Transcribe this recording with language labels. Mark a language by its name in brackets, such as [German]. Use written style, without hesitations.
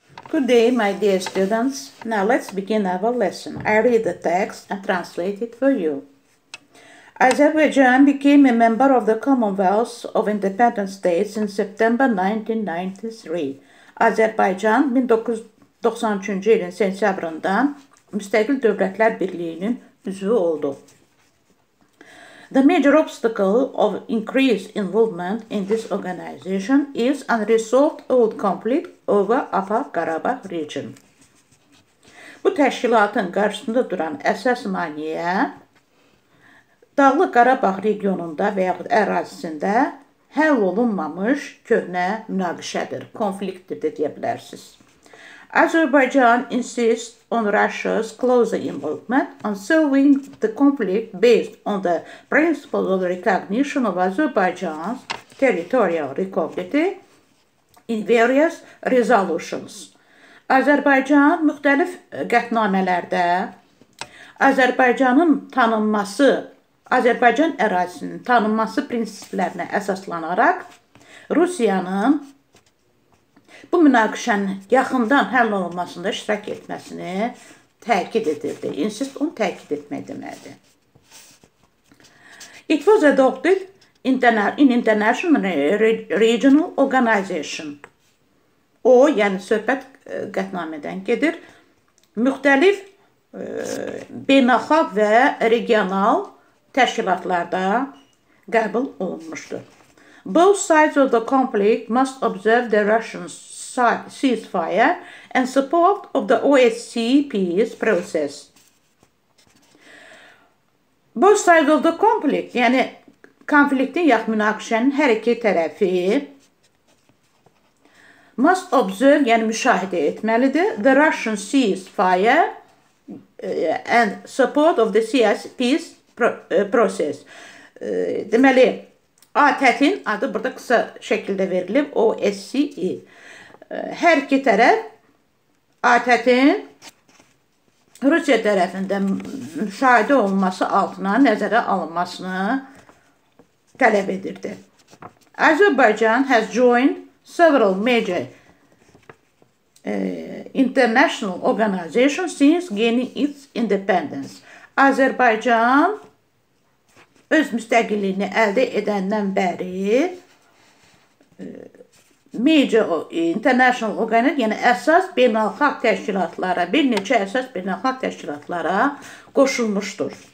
[English] Good day, my dear students. Now let's begin our lesson. I read the text and translate it for you. Azerbaijan became a member of the Commonwealth of Independent States in September 1993. [Azerbaijani] Azerbaijan 1993-cü ilin sentyabrında Müstəqil Dövlətlər Birliyinin üzvü oldu. [English] The major obstacle of increased involvement in this organization is unresolved old conflict over Upper Qarabağ region. [Azerbaijani] Bu təşkilatın qarşısında duran əsas maneə Dağlıq Qarabağ regionunda və yaxud ərazisində həll olunmamış köhnə münaqişədir, konfliktdir deyə bilərsiniz. [English] Azerbaijan insists on Russia's closer involvement on solving the conflict based on the principles of recognition of Azerbaijan's territorial recovery in various resolutions. [Azerbaijani] Azerbaijan müxtəlif qətnamələrdə Azerbaijanın tanınması, Azerbaijan ərazisinin tanınması prinsiplərinə əsaslanaraq Rusiyanın bu münaqişənin yaxından həll olunmasında iştirak etməsini təkid edirdi. İnsist onu təkid etmək deməkdir. [English] It was adopted in international regional organization. [Azerbaijani] O, yəni söhbət qətnamədən gedir. Müxtəlif beynəlxalq və regional təşkilatlarda qəbul olunmuşdur. [English] Both sides of the conflict must observe the Russians ceasefire and support of the OSCE peace process. Both sides of the conflict, [Azerbaijani] yəni konfliktin yaxud münaqişənin hər iki tərəfi [English] must observe, [Azerbaijani] yəni müşahidə etməlidir, [English] the Russian ceasefire and support of the CS peace process. [Azerbaijani] Deməli, ATƏT-in adı burada qısa şəkildə verilib, OSCE. Hər iki tərəf ATƏT-in Rusiya tərəfində müşahidə olunması altına nəzərə alınmasını tələb edirdi. [English] Azərbaycan has joined several major international organizations since gaining its independence. [Azerbaijani] Azərbaycan öz müstəqilliyini əldə edəndən bəri [English] major international organization, [Azerbaijani] yəni əsas beynəlxalq təşkilatlara, bir neçə əsas beynəlxalq təşkilatlara qoşulmuşdur.